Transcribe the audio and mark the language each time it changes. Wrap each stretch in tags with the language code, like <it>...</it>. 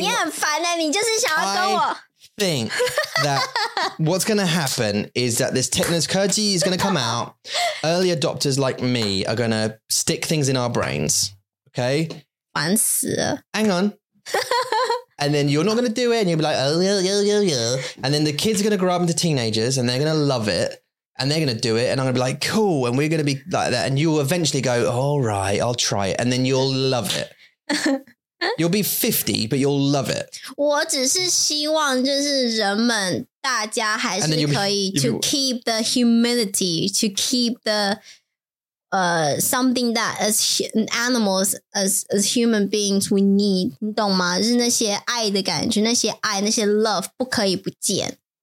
<zh>你很烦呢，你就是想要跟我。</zh> <en>Think that what's going to happen is that this tetanus curtsy is going to come out. Early adopters like me are going to stick things in our brains. Okay.</en> <zh>烦死了.</zh> <en>Hang on. And then you're not going to do it. And you'll be like, oh, yeah, yeah, yeah, yeah. And then the kids are going to grow up into teenagers and they're going to love it. And they're going to do it. And I'm going to be like, cool. And we're going to be like that. And you'll eventually go, all right, I'll try it. And then you'll love it. You'll be 50, but you'll love it.</en> <zh>我只是希望就是人们大家还是可以</zh> <en>to keep the humility, to keep the something that as animals, as human beings, we need.</en> <zh>你懂吗? 就是那些爱的感觉,那些爱,那些 love 不可以不见。</zh>